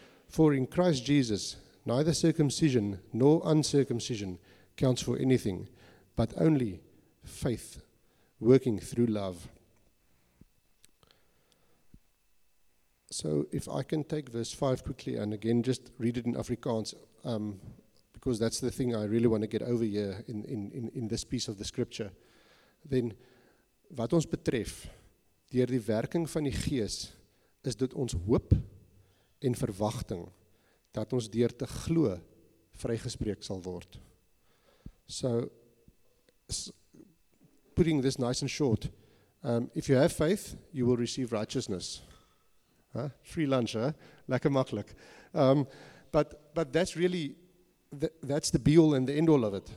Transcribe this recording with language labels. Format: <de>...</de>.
<en>For in Christ Jesus, neither circumcision nor uncircumcision counts for anything, but only faith working through love. So if I can take verse 5 quickly and again just read it in Afrikaans, because that's the thing I really want to get over here in this piece of the scripture.</en> <af>Then, wat ons betref, deur die werking van die gees, is dit ons hoop en verwagting dat ons deur te glo vrygespreek sal word.</af> <en>So, putting this nice and short, if you have faith, you will receive righteousness. Huh? Free lunch, huh?</en> <af>Lekker makkelijk.</af> <en>But that's really, that's the be-all and the end-all of it.</en>